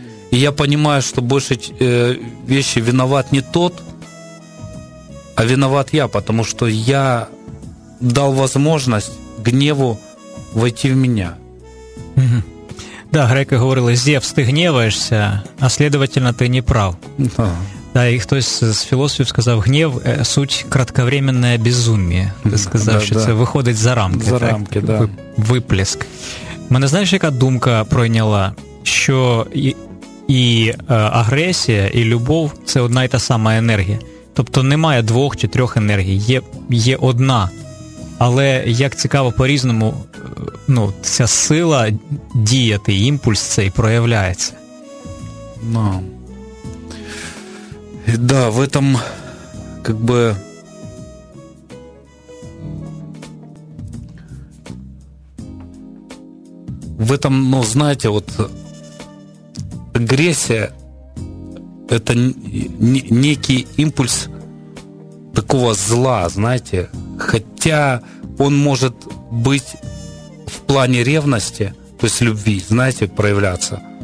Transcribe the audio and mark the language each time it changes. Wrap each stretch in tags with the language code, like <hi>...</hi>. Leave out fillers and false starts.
<ru>И я понимаю, что больше вещи виноват не тот, а виноват я, потому что я дал возможность гневу войти в меня. Угу. Да, греки говорили, Зевс, ты гневаешься, а следовательно, ты не прав. Да.</ru> <uk>Да, і хтось з філософів сказав, гнів –</uk> <ru>суть кратковременне безумие.</ru> <uk>Ти сказав, що це виходить за рамки. За рамки, так. Випліск. Мене, знаєш, яка думка пройняла, що і агресія, і любов – це одна і та сама енергія. Тобто немає двох чи трьох енергій, є одна. Але, як цікаво, по-різному, ну, ця сила діяти, імпульс цей проявляється.</uk> <ru>Ну, да, в этом, как бы, в этом, ну, знаете, вот, агрессия – это некий импульс такого зла, знаете, хотя он может быть в плане ревности, то есть любви, знаете, проявляться.</ru>